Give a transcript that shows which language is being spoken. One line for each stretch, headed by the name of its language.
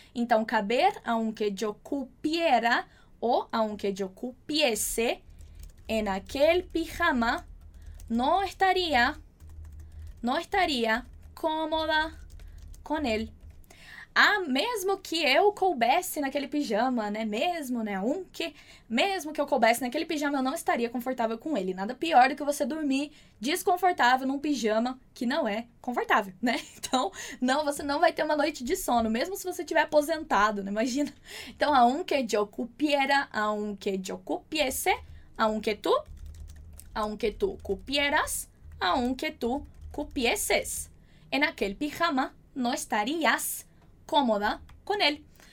Spanish: Então, caber, aunque yo cupiera,
Portuguese: ou
Spanish: aunque yo cupiese, en aquel pijama, no estaría cómoda con él.
Portuguese: Ah, mesmo que eu coubesse naquele pijama, né? Mesmo, né? Mesmo que eu coubesse naquele pijama, eu não estaria confortável com ele. Nada pior do que você dormir desconfortável num pijama que não é confortável, né? Então, não, você não vai ter uma noite de sono, mesmo se você estiver aposentado, né? Imagina.
Spanish: Então, aunque yo cupiera, aunque yo cupiese, aunque tu cupieras, aunque tu cupieses, en aquel pijama no estarías cómoda con él.